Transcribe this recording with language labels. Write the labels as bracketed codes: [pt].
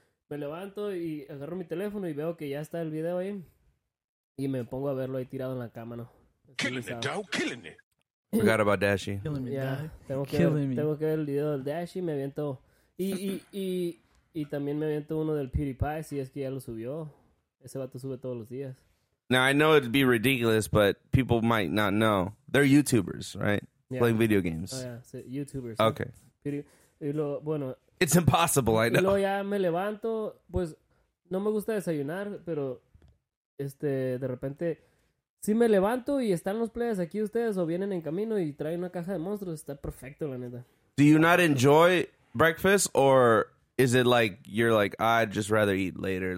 [es] Me levanto y agarro mi teléfono y veo que ya está el video ahí. Y me pongo a verlo ahí tirado en la cama, ¿no? [en] Killing it, dog, killing it. Forgot about Dashy. [es] Tengo que ver el video del Dashy, me aviento. Y también me aviento uno del PewDiePie, si es que ya lo subió. Ese vato sube todos los días. [en] Now, I know it'd be ridiculous, but people might not know. They're YouTubers, right? Yeah. Playing video games. Oh, yeah. YouTubers. Okay. [es] Y luego, bueno. [en] It's impossible, I know. [es] Y luego ya me levanto, pues, no me gusta desayunar, pero... de repente, si me levanto y están los players aquí ustedes o vienen en camino y traen una caja de monstruos, está perfecto, la neta. [en] Do you not enjoy breakfast or is it like you're like, I'd just rather eat later?